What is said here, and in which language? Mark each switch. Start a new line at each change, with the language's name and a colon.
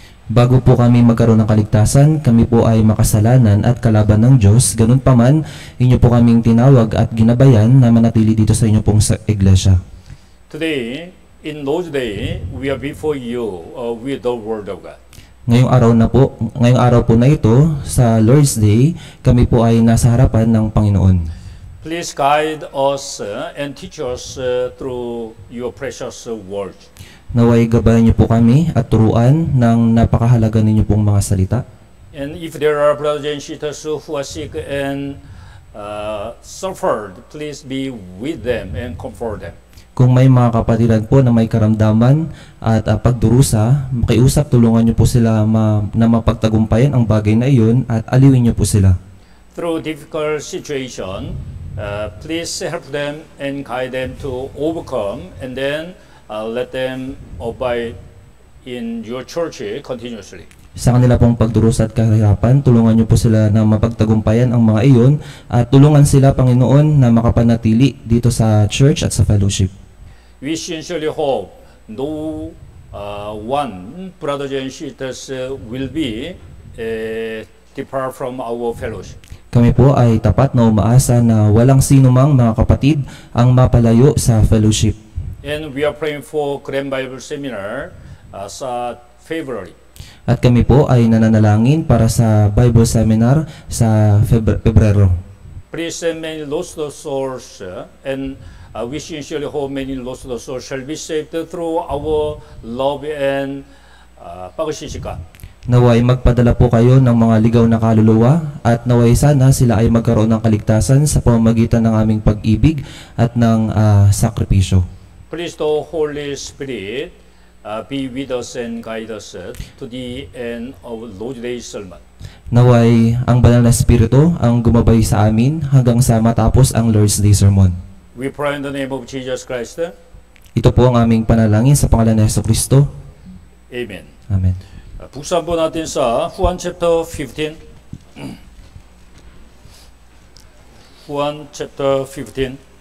Filipino: Bago po kami magkaroon ng kaligtasan, kami po ay makasalanan at kalaban ng Diyos. Ganun pa man, inyo po kaming tinawag at ginabayan na manatili dito sa inyo pong sa iglesia.
English: Today, in those days, we are before you with the word of God.
Filipino: Ngayong araw po na ito, sa Lord's Day, kami po ay nasa harapan ng Panginoon.
English: Please guide us and teach us through your precious word.
Filipino: Naway gabayan niyo po kami at turuan ng napakahalaga ninyo pong mga salita.
English: And if there are brothers and sisters who are sick and suffered, please be with them and comfort them.
Filipino: Kung may mga kapatiran po na may karamdaman at pagdurusa, makiusap, tulungan niyo po sila na mapagtagumpayan ang bagay na iyon at aliwin niyo po sila.
English: Through difficult situation, please help them and guide them to overcome and then let them abide in your church continuously.
Filipino: Sa kanila pong pagdurusa at kahirapan, tulungan niyo po sila na mapagtagumpayan ang mga iyon at tulungan sila, Panginoon, na makapanatili dito sa church at sa fellowship.
English: We sincerely hope no one brothers and sisters will be depart from our fellowship.
Filipino: Kami po ay tapat na umaasa na walang sinumang mga kapatid ang mapalayo sa fellowship.
English: And we are praying for Grand Bible Seminar sa February.
Filipino: At kami po ay nananalangin para sa Bible Seminar sa Pebrero.
English: Please send many lost souls and we sincerely hope many lost souls shall be saved through our love and pagsisika.
Filipino: Naway magpadala po kayo ng mga ligaw na kaluluwa at naway sana sila ay magkaroon ng kaligtasan sa pamamagitan ng aming pag-ibig at ng sakripisyo.
English: Please, the Holy Spirit, be with us and guide us to the end of Lord's Day sermon.
Filipino: Naway ang banal na Espiritu ang gumabay sa amin hanggang sa matapos ang Lord's Day sermon.
English: We pray in the name of Jesus Christ.
Filipino: Ito po ang aming panalangin sa pangalan ni Jesucristo. Amen. Amen. Buksan po natin sa Juan chapter 15. Juan chapter 15.